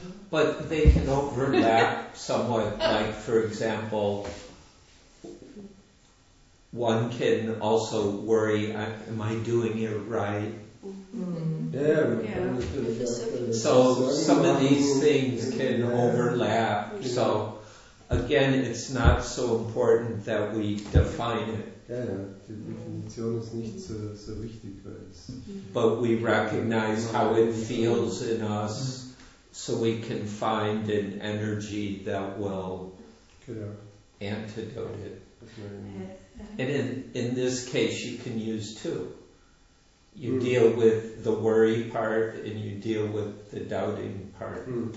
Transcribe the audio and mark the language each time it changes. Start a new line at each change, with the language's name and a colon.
English: But they can overlap somewhat, like for example, one can also worry, am I doing it right? So some of these things can overlap. So again, it's not so important that we define it.
German: Die Definition ist nicht so wichtig, weil es
English: but we recognize how it feels in us, so we can find an energy that will antidote it. And in this case, you can use two. You deal with the worry part and you deal with the doubting part.